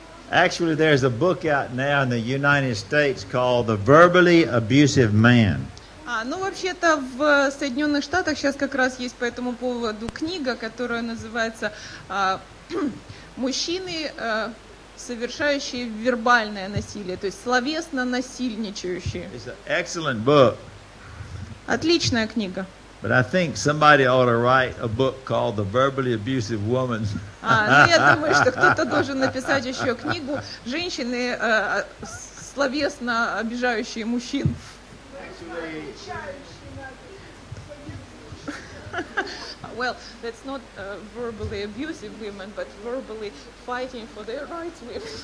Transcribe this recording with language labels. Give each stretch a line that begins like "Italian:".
English: Actually, there's a book out now in the United States called The Verbally Abusive Man.
Russian: Вообще-то в Соединенных Штатах сейчас как раз есть по этому поводу книга, которая называется «Мужчины, совершающие вербальное насилие», то есть словесно насильничающие.
English: It's an excellent book.
Russian: Отличная книга.
English: But I think somebody ought to write a book called The Verbally Abusive Woman.
Russian: Я думаю, что кто-то должен написать еще книгу «Женщины, словесно обижающие мужчин».
English: Well, that's not verbally abusive women, but verbally fighting for their rights women.